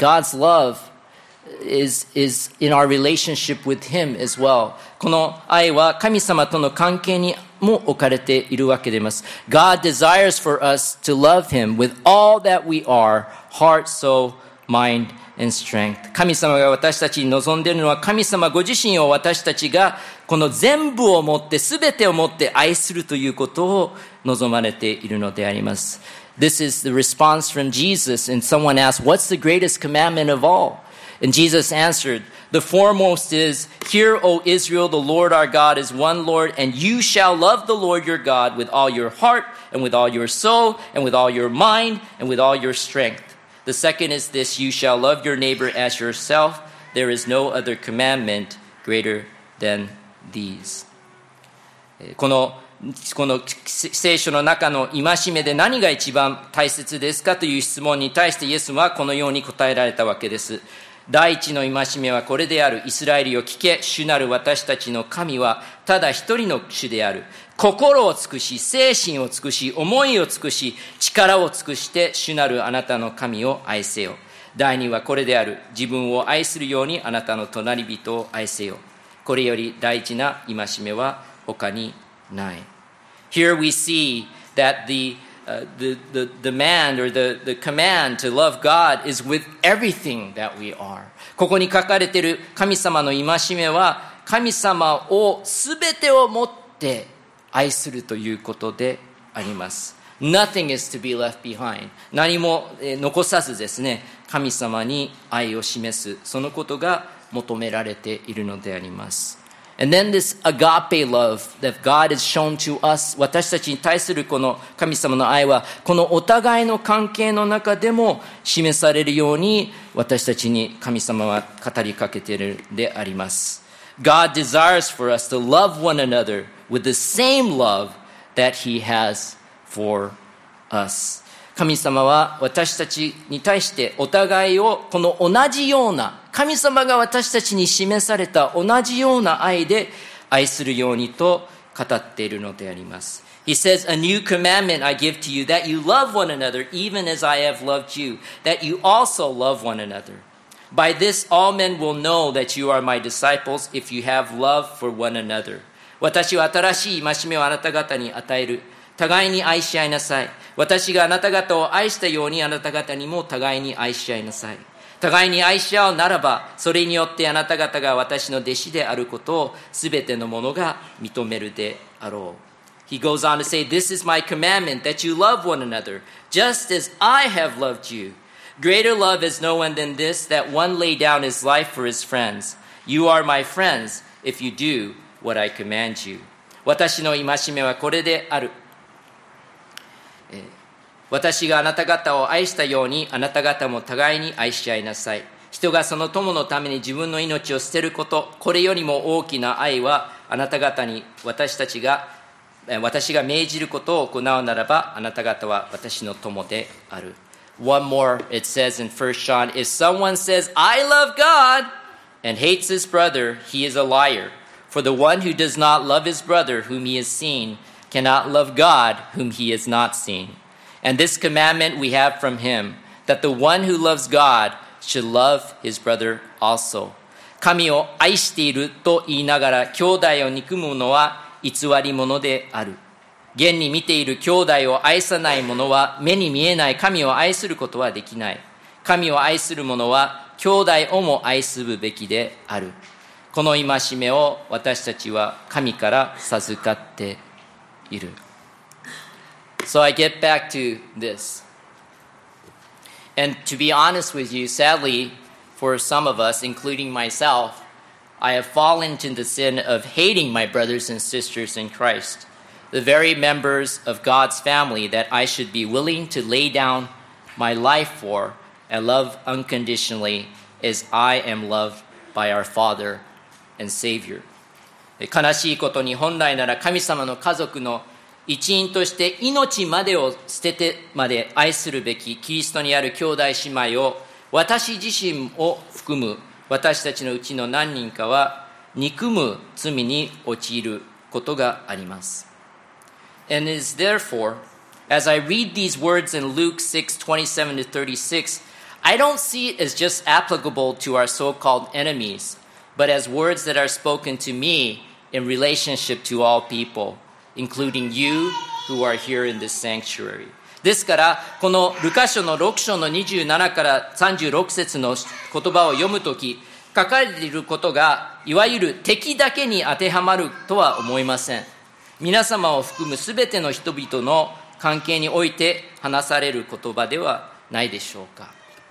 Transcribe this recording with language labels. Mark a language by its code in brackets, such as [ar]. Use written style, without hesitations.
[en] God's love is in our relationship with Him as well. [ja] この愛は神様との関係にも置かれているわけであります。 [en] God desires for us to love Him with all that we are, heart, soul, mind, and strength. [ja] 神様が私たちに望んでいるのは神様ご自身を私たちがこの全部を持って、すべてを持って愛するということを望まれているのであります。 [en] This is the response from Jesus, and someone asked, What's the greatest commandment of all? And Jesus answered, The foremost is, Hear, O Israel, the Lord our God is one Lord, and you shall love the Lord your God with all your heart, and with all your soul, and with all your mind, and with all your strength. The second is this, You shall love your neighbor as yourself. There is no other commandment greater than these. [ja] この聖書の中の戒めで何が一番大切ですかという質問に対してイエスはこのように答えられたわけです。第一の戒めはこれである。イスラエルよ聞け、主なる私たちの神はただ一人の主である。心を尽くし、精神を尽くし、思いを尽くし、力を尽くして主なるあなたの神を愛せよ。第二はこれである。自分を愛するようにあなたの隣人を愛せよ。これより大事な戒めは他にない。 [en] Here we see that the demand or the command to love God is with everything that we are. [ja] ここに書かれている神様の戒めは神様を全てを持って愛するということであります。 [en] Nothing is to be left behind. [ja] 何も残さずですね、神様に愛を示す、そのことが求められているのであります。 [en] And then this agape love that God has shown to us, [ja] 私たちに対するこの神様の愛は、このお互いの関係の中でも示されるように、私たちに神様は語りかけているであります。 [en] God desires for us to love one another with the same love that He has for us. [ja] 神様は私たちに対してお互いをこの同じような、神様が私たちに示された同じような愛で愛するようにと語っているのであります。 [en] He says, A new commandment I give to you, that you love one another, even as I have loved you, that you also love one another. By this all men will know that you are my disciples if you have love for one another. [ja] 私は新しい戒めをあなた方に与える。互いに愛し合いなさい。私があなた方を愛したようにあなた方にも互いに愛し合いなさい。互いに愛し合うならば、それによってあなた方が私の弟子であることをすべてのものが認めるであろう。 [en] He goes on to say, This is my commandment that you love one another just as I have loved you. Greater love is no one than this, that one lay down his life for his friends. You are my friends if you do what I command you. [ja] 私の戒めはこれである。私があなた方を愛したように、あなた方も互いに愛し合いなさい。人がその友のために自分の命を捨てること、これよりも大きな愛は、あなた方に私が命じることを行うならば、あなた方は私の友である。 [en] One more, it says in 1 John, if someone says, I love God, and hates his brother, he is a liar. For the one who does not love his brother, whom he has seen, cannot love God, whom he has not seen. And this commandment we have from him, that the one who loves God should love his brother also. [ja] 神を愛していると言いながら、兄弟を憎む者は偽り者である。現に見ている兄弟を愛さない者は目に見えない神を愛することはできない。神を愛する者は兄弟をも愛するべきである。この戒めを私たちは神から授かっている。 [en] So I get back to this. And to be honest with you, sadly, for some of us, including myself, I have fallen into the sin of hating my brothers and sisters in Christ. The very members of God's family that I should be willing to lay down my life for and love unconditionally as I am loved by our Father and Savior. [ja] 悲しいことに本来なら神様の家族の一員として命までを捨ててまで愛するべきキリストにある兄弟姉妹を私自身を含む私たちのうちの何人かは憎む罪に陥ることがあります。 [en] And is therefore, as I read these words in Luke 6:27-36, I don't see it as just applicable to our so-called enemies, but as words that are spoken to me in relationship to all people, including you who are here in this sanctuary. [ja] ですから、このルカ書の6章の27から36節の言葉を読むとき、書かれていることが、いわゆる敵だけに当てはまるとは思いません。皆様を含むすべての人々の関係において話される言葉ではないでしょうか。